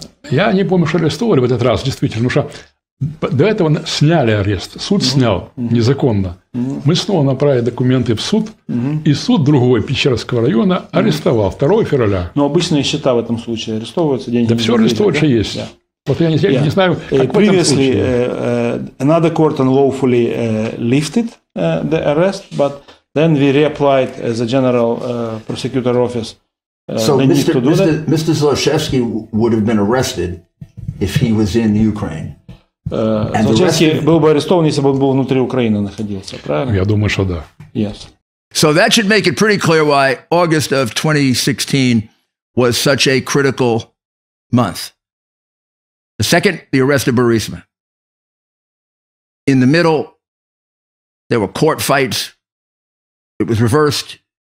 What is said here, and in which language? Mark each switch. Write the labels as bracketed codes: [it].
[ru] Я не помню, что арестовали в этот раз, действительно, потому что до этого сняли арест, суд снял незаконно. Мы снова направили документы в суд, и суд другого Печерского района арестовал 2 февраля. Но обычные счета в этом случае арестовываются, деньги да не все арестовываются, да? Есть. Yeah. Вот я не знаю, как [en] Previously, [ru] в этом случае. [en] Another court unlawfully lifted the arrest, but then we reapplied as a general prosecutor office. So Mr. Zlochevsky would have been arrested if he was in Ukraine. [ru] Звучать, был бы арестован, если бы он был внутри Украины находился, правильно? Я думаю, что да. [en] Yes. So that should make it pretty clear why August of 2016 was such a critical month. The second, the arrest of Burisma. In the middle, there were court fights. It was reversed.